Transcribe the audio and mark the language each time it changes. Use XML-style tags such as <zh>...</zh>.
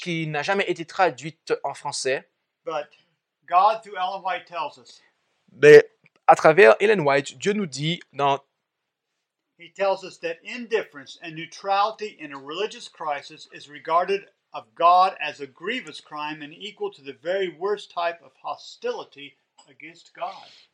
<fr>qui n'a jamais été traduite en français.</fr> <en>But God, through Ellen White, tells us,</en> <fr>mais à travers Ellen White, Dieu nous dit dans</fr> <en>He tells us that indifference and neutrality in a religious crisis is regarded of God as a grievous crime and equal to the very worst type of hostility against God.</en>